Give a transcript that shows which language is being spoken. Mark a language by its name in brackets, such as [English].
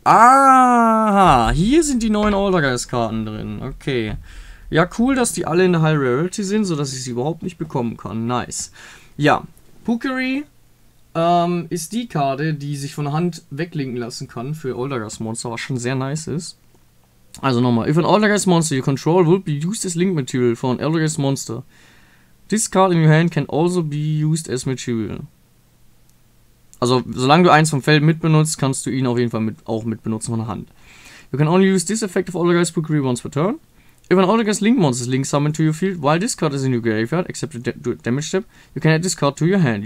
[German] Aha, hier sind die neuen Altergeist-Karten drin. Okay. Ja, cool, dass die alle in der High Rarity sind, sodass ich sie überhaupt nicht bekommen kann. Nice. Ja, Pukeri ist die Karte, die sich von der Hand weglinken lassen kann für Altergeist-Monster, was schon sehr nice ist. Also nochmal. [English] If an Altergeist-Monster you control will be used as link material for an Altergeist-Monster, this card in your hand can also be used as material. [German] Also, solange du eins vom Feld mitbenutzt, kannst du ihn auf jeden Fall mitbenutzen von der Hand. [English] You can only use this effect of Altergeist Pukeri once per turn. If an Altergeist Link Monster is Link summoned to your field, while this card is in your graveyard, except the damage step, you can add this card to your hand.